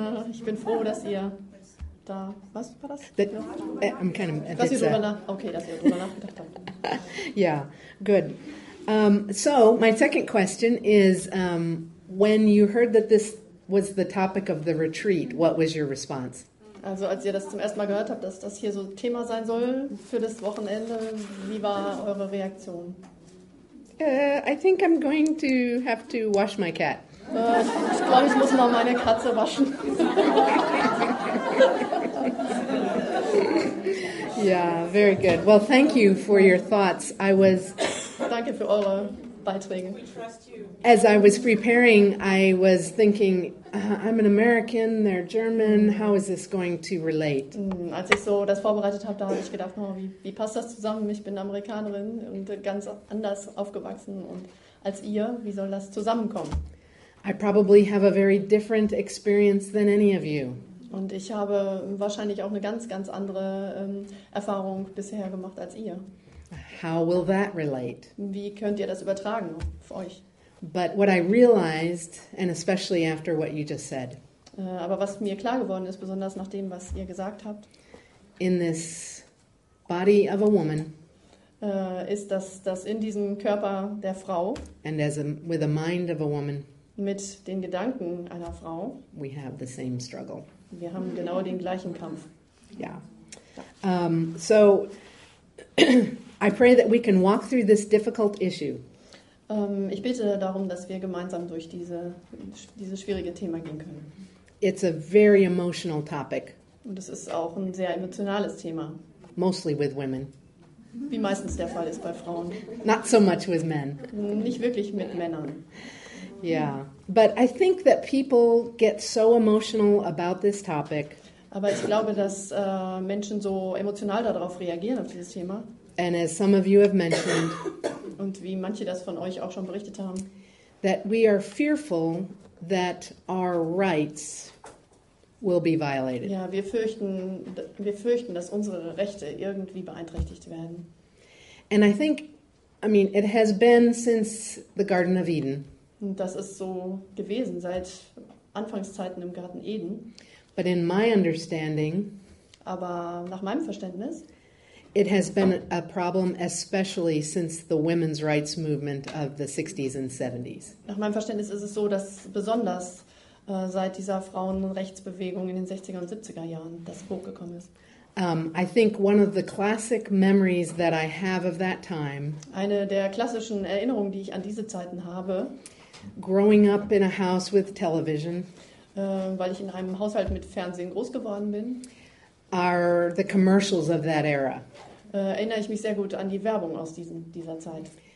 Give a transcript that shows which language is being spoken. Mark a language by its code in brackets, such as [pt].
[de] Ich bin froh, dass ihr da... Was war das? Dass ihr drüber nachgedacht habt. [en] Yeah, good. So my second question is, when you heard that this was the topic of the retreat, what was your response? [de] Also als ihr das zum ersten Mal gehört habt, dass das hier so Thema sein soll für das Wochenende, wie war eure Reaktion? [en] I think I'm going to have to wash my cat. [de] Ich glaube, ich muss mal meine Katze waschen. [en] Yeah, very good. Well, thank you for your thoughts. [de] Danke für eure Beiträge. [en] As I was preparing, I was thinking, I'm an American, they're German, how is this going to relate? [de] Als ich so das vorbereitet habe, da habe ich gedacht, wie passt das zusammen? Ich bin Amerikanerin und ganz anders aufgewachsen und als ihr, wie soll das zusammenkommen? [en] I probably have a very different experience than any of you. [de] Und ich habe wahrscheinlich auch eine ganz, ganz andere Erfahrung bisher gemacht als ihr. [en] How will that relate? [de] Wie könnt ihr das übertragen auf euch? [en] But what I realized, and especially after what you just said, [de] aber was mir klar geworden ist, besonders nach dem, was ihr gesagt habt, [en] in this body of a woman, [de] ist, dass in diesem Körper der Frau, [en] and as with a mind of a woman, [de] mit den Gedanken einer Frau, [en] we have the same struggle. [de] Wir haben genau den gleichen Kampf. [en] Yeah. So I pray that we can walk through this difficult issue. [de] Ich bitte darum, dass wir gemeinsam durch dieses schwierige Thema gehen können. [en] It's a very emotional topic. [de] Und es ist auch ein sehr emotionales Thema. [en] Mostly with women. [de] Wie meistens der Fall ist bei Frauen. [en] Not so much with men. [de] Nicht wirklich mit Männern. [en] Yeah, but I think that people get so emotional about this topic. [de] Aber ich glaube, dass Menschen so emotional darauf reagieren, auf dieses Thema. [en] And as some of you have mentioned, [de] und wie manche das von euch auch schon berichtet haben, [en] that we are fearful that our rights will be violated. [de] Ja, wir fürchten, dass unsere Rechte irgendwie beeinträchtigt werden. [en] And I think, I mean, it has been since the Garden of Eden. [de] Und das ist so gewesen seit Anfangszeiten im Garten Eden. [en] But in my understanding, [de] aber nach meinem Verständnis, [en] it has been a problem, especially since the women's rights movement of the 60s and 70s. [de] Nach meinem Verständnis ist es so, dass besonders seit dieser Frauenrechtsbewegung in den 60er und 70er Jahren das hochgekommen ist. [en] I think one of the classic memories that I have of that time. [de] Eine der klassischen Erinnerungen, die ich an diese Zeiten habe. [en] Growing up in a house with television. [de] Weil ich in einem Haushalt mit Fernsehen groß geworden bin. [en] Are the commercials of that era. [de] Erinnere ich mich sehr gut an die Werbung aus dieser Zeit.